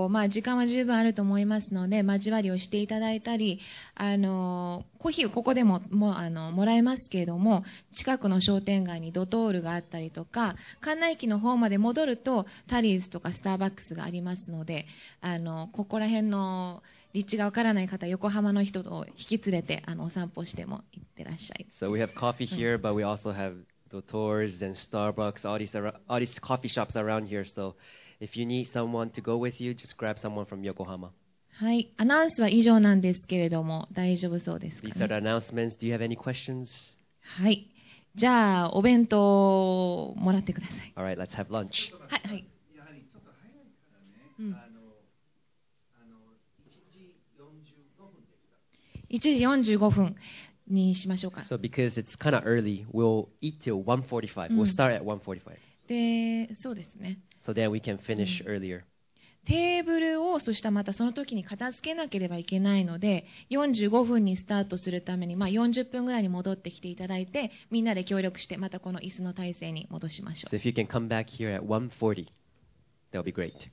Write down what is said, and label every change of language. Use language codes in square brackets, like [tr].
[ja] 時間は十分あると思いますので、交わりをしていただいたり、コーヒーをここでも、もらえますけれども、近くの商店街にドトールがあったりとか、館内駅の方まで戻ると、タリーズとかスターバックスがありますので、ここら辺の立地がわからない方、横浜の人を引き連れて、お散歩しても行ってらっしゃい。 [en] So we have coffee here, but we also have the tours and Starbucks, all these coffee shops around here, so... If you need someone to go with you, just grab someone from Yokohama. [ja] はい、アナウンスは以上なんですけれども、大丈夫そうですか、ね、 [en] These are the announcements. Do you have any questions? [ja] はい、じゃあお弁当をもらってください。 [en] All right, let's have lunch. [ja] はい、はい。やはりちょっと早いからね、1時45分ですか。 1時45分にしましょうか。 [en] So because it's kind of early, we'll eat till 1:45. We'll start at 1:45. [ja] で、そうですね。 [en] So then we can finish earlier. [ja] テーブルをそしたらまたその時に片付けなければいけないので45分にスタートするために、まあ、40分ぐらいに戻ってきていただいてみんなで協力してまたこの椅子の体勢に戻しましょう [en] So if you can come back here at 1:40 that'll be great